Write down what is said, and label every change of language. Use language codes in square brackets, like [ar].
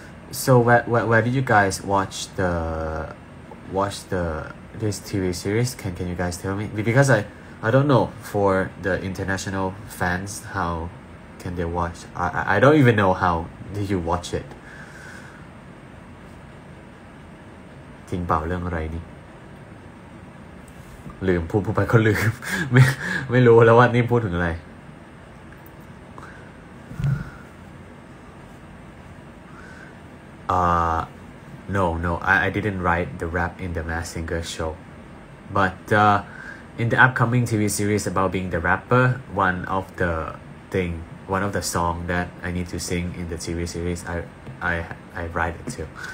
[en] So where did you guys watch this TV series? Can you guys tell me? Because I don't know for the international fans how can they watch. I don't even know how did you watch it. [th] จริงเปล่าเรื่องอะไรนี่ลืมพูดไปก็ลืมไม่รู้แล้วว่านี่พูดถึงอะไร [en] No, I didn't write the rap in the Masked Singer show. But in the upcoming TV series about being the rapper, one of the song that I need to sing in the TV series, I write it too.